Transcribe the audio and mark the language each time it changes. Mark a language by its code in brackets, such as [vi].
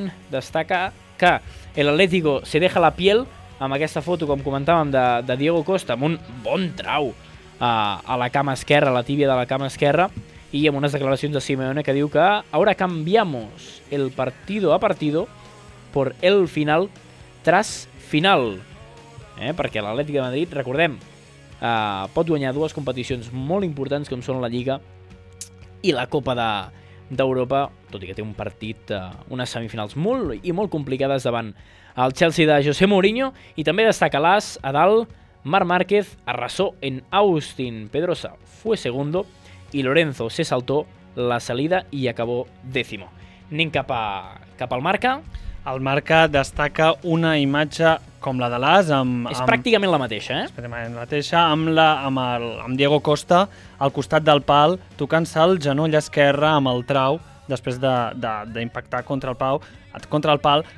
[ca] Destaca que [es] el Atlético se deja la piel [ca] amb aquesta foto, com comentàvem, de Diego Costa, amb un bon trau a la cama esquerra, a la tíbia de la cama esquerra, i amb unes declaracions de Simeone que diu que [es] ahora cambiamos el partido a partido por el final tras final. [ca] Perquè l'Atlètic de Madrid, recordem, pot guanyar dues competicions molt importants com són la Lliga i la Copa d'Europa, tot i que té un partit, unes semifinals molt i molt complicades davant el Chelsea de José Mourinho. I també destaca l'As a dalt: [es] Marc Márquez arrasó en Austin, Pedrosa fue segundo y Lorenzo se saltó la salida y acabó décimo. [ca] Anem cap al Marca. El Marca destaca una imatge com la de l'As. És pràcticament la mateixa, eh? Pràcticament la mateixa, amb Diego Costa al costat del pal, tocant-se el genoll esquerre amb el trau després d'impactar contra el pal.